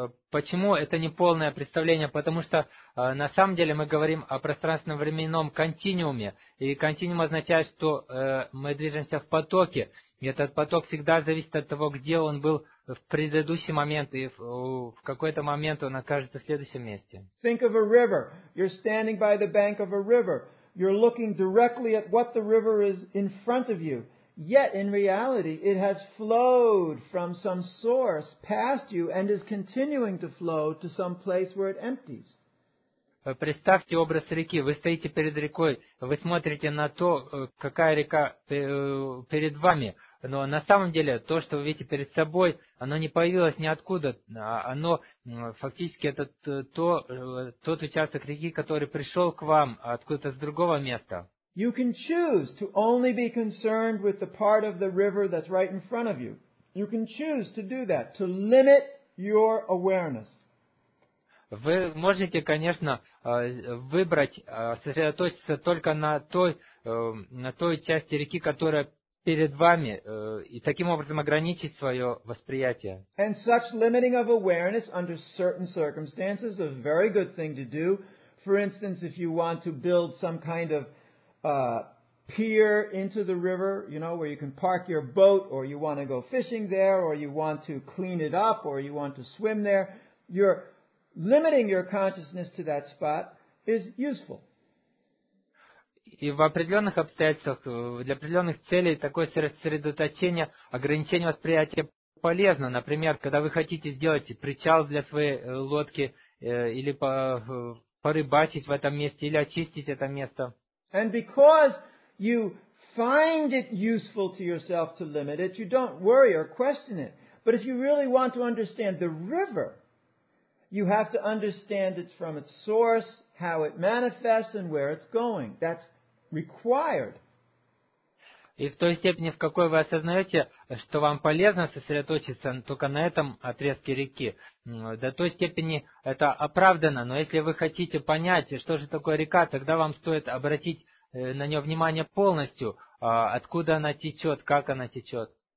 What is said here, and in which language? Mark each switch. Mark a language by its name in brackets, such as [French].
[Russian] Почему это неполное представление? Потому что на самом деле мы говорим о пространственно-временном континууме. И континуум означает, что мы движемся в потоке. И этот поток всегда зависит от того, где он был в предыдущий момент, и в какой-то момент он окажется в следующем месте. [English] Think of a river. You're standing by the bank of a river. You're looking directly at what the river is in front of you. Yet, in reality, it has flowed from some source past you and is continuing to flow to some place where it empties. [Russian] Представьте образ реки. Вы стоите перед рекой, вы смотрите на то, какая река перед вами. Но на самом деле, то, что вы видите перед собой, оно не появилось ниоткуда. Оно фактически это тот участок реки, который пришел к вам откуда-то с другого места. [English] You can choose to only be concerned with the part of the river that's right in front of you. You can choose to do that, to limit your awareness. [Russian] Вы можете, конечно, выбрать, сосредоточиться только на той части реки, которая перед вами, и таким образом ограничить свое восприятие. [English] And such limiting of awareness under certain circumstances is a very good thing to do. For instance, if you want to build some kind of pier into the river, you know, where you can park your boat, or you want to go fishing there, or you want to clean it up, or you want to swim there, you're limiting your consciousness to that spot is useful. [Russian] И в определенных обстоятельствах, для определенных целей, такое сосредоточение, ограничение восприятия полезно. Например, когда вы хотите сделать причал для своей лодки, или порыбачить в этом месте, или очистить это место. [English] And because you find it useful to yourself to limit it, you don't worry or question it. But if you really want to understand the river, you have to understand it's from its source, how it manifests, and where it's going. That's required. [Russian] И в той степени, в какой вы осознаете, что вам полезно сосредоточиться только на этом отрезке реки, до той степени это оправдано. Но если вы хотите понять, что же такое река, тогда вам стоит обратить на нее внимание полностью, откуда она течет, как она течет.